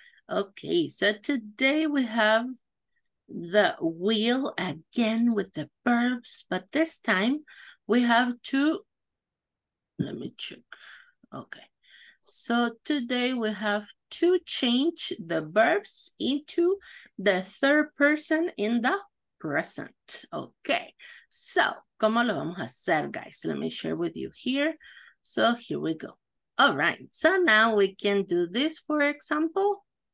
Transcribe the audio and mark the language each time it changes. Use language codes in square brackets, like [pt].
[en] Okay, so today we have the wheel again with the verbs, but this time we have to, let me check. Okay, so today we have to change the verbs into the third person in the present. Okay, so [es] ¿cómo lo vamos a hacer, guys? [en] Let me share with you here. So here we go. All right. So now we can do this, for example.